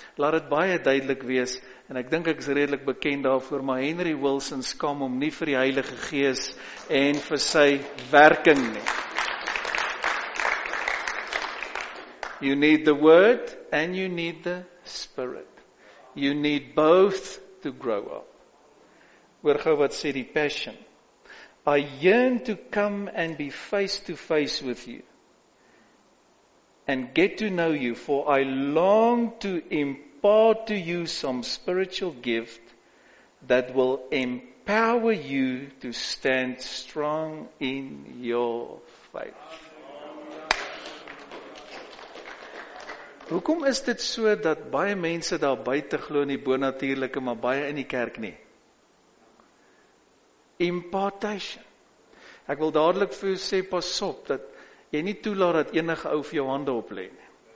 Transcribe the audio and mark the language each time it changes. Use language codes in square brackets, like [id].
[af] Laat dit baie duidelik wees, en ek dink ek is redelik bekend daarvoor, maar Henry Wilson skam om nie vir die Heilige Gees en vir sy werking nie. [en] You need the Word and you need the Spirit. You need both to grow up. [af] Hoor gou wat sê die Passion. [en] I yearn to come and be face to face with you and get to know you, for I long to impart to you some spiritual gift that will empower you to stand strong in your faith. [af] Hoekom is dit so dat baie mense daar buite glo in die bonatuurlike, maar baie in die kerk nie? Impartation. Ek wil dadelik vir jou sê, pas op, dat jy nie toelaat dat enige ou vir jou hande oplê nie.